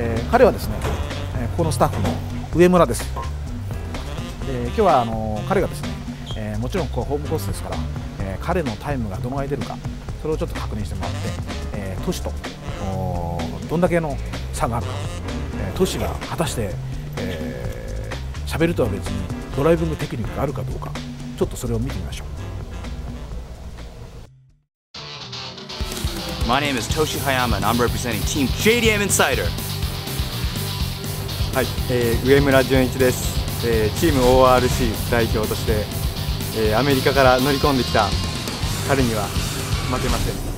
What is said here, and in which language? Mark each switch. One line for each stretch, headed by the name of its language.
Japanese: 彼はですね、ここのスタッフの上村です。で今日は彼がですね、もちろんここはホームコースですから、彼のタイムがどのぐらい出るか、それをちょっと確認してもらって、都市とどんだけの差があるか、都市が果たして喋、るとは別にドライビングテクニックがあるかどうか、ちょっとそれを見てみましょう。
English: My name is Toshi Hayama and I'm representing Team JDM Insider.
Japanese: はい、上村純一です。チーム ORC 代表として、アメリカから乗り込んできた彼には負けません。